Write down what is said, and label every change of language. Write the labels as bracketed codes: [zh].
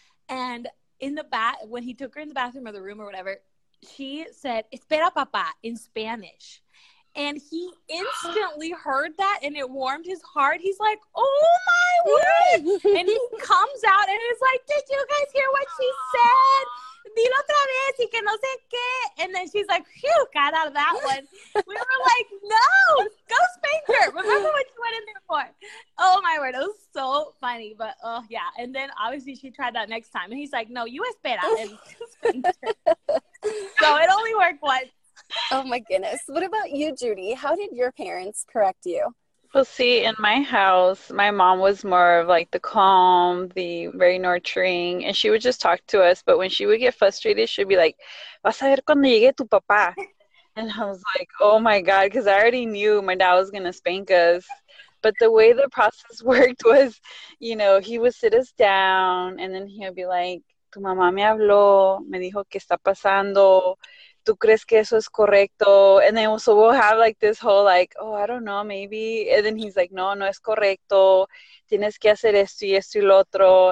[en] And in the bath, when he took her in the bathroom or the room or whatever, she said, [es] espera, papá, [en] in Spanish. And he instantly heard that, and it warmed his heart. He's like, oh, my word. And he comes out and is like, did you guys hear what she said? [es] Dilo otra vez y que no sé qué. [en] And then she's like, phew, got out of that one. We were like, no, go spank her. Remember what you went in there for. Oh, my word. It was so funny. But, oh, yeah. And then, obviously, she tried that next time. And he's like, no, you espera. And so it only worked once. Oh, my goodness. What about you, Judy? How did your parents correct you? Well, see, in my house, my mom was more of, like, the calm, the very nurturing, and she would just talk to us. But when she would get frustrated, she'd be like, [es] vas a ver cuando llegue tu papá. [en] And I was like, oh, my God, because I already knew my dad was going to spank us. But the way the process worked was, you know, he would sit us down, and then he would be like, [es] tu mamá me habló, me dijo que está pasando. ¿Tú crees que eso es correcto? [en] And then so we'll have like this whole like, oh, I don't know, maybe. And then he's like, [es] no, no es correcto. Tienes que hacer esto y esto y lo otro.